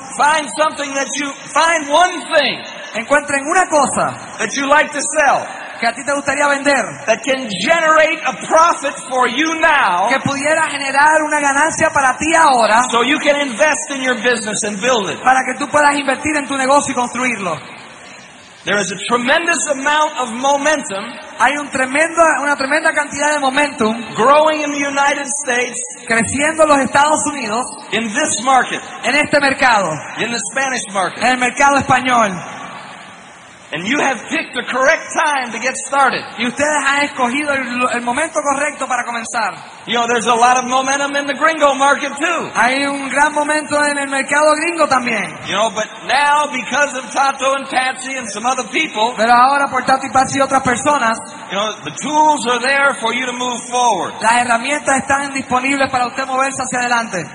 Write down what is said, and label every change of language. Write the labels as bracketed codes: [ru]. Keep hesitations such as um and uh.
[en] Find something that you find one thing. [es] Encuentren una cosa [en] that you like to sell. [es] Que a ti te gustaría vender. [en] That can generate a profit for you now. [es] Que pudiera generar una ganancia para ti ahora. [en] So you can invest in your business and build it. [es] Para que tú puedas invertir en tu negocio y construirlo. [en] There is a tremendous amount of momentum [es] Hay una tremenda, una tremenda cantidad de momentum [en] growing in the United States [es] creciendo en los Estados Unidos [en] in this market, [es] en este mercado [en] in the Spanish market, [es] en el mercado español [en] And you have picked the correct time to get started. [es] Y ustedes escogido el, el, momento correcto para comenzar. [en] You know, there's a lot of momentum in the gringo market too. [es] Hay un gran momento en el mercado gringo también. [en] You know, but now because of Tato and Patsy and some other people. [es] Pero ahora por Tato y Patsy y otras personas. [en] You know, the tools are there for you to move forward. [es] Las herramientas están disponibles para usted moverse hacia adelante.